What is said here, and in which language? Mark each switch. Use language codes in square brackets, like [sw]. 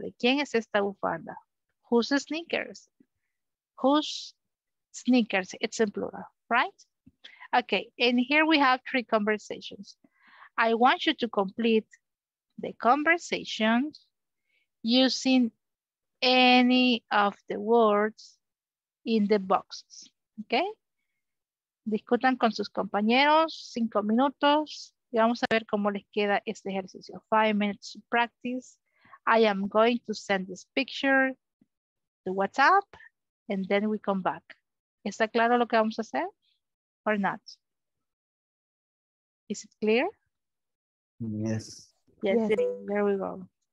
[es] ¿De quién es esta bufanda? [en] Whose sneakers? Whose sneakers, it's in plural, right? Okay, and here we have three conversations. I want you to complete the conversation using any of the words in the boxes, okay? [es] Discutan con sus compañeros, 5 minutos, y vamos a ver cómo les queda este ejercicio. [en] 5 minutes to practice. I am going to send this picture to WhatsApp, and then we come back. [es] ¿Está claro lo que vamos a hacer? [en] Or not? Is it clear? Yes. Yes. Yes, there we go.